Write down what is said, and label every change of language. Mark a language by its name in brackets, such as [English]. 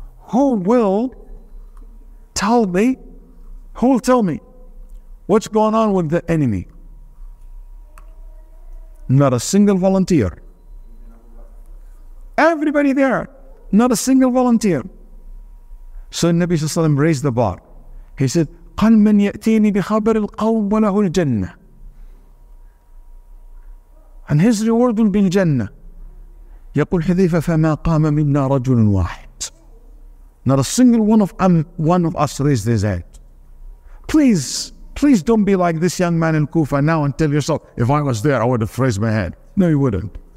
[English] Who will tell me? What's going on with the enemy? Not a single volunteer. Everybody there, not a single volunteer. So Nabi Sallallahu Alaihi Wasallam raised the bar. He said, [Arabic] قَلْ مَنْ يَأْتِينِ بِخَبَرِ الْقَوْمِ وَلَهُ الْجَنَّةِ [English] And his reward will be الْجَنَّةِ. [Arabic] يَقُلْ حَذِيفَ فَمَا قَامَ مِنَّا رَجُلٌ وَاحِدٌ. [English] Not a single one of us raised his head. Please don't be like this young man in Kufa now and tell yourself, if I was there, I would have raised my hand. No, you wouldn't.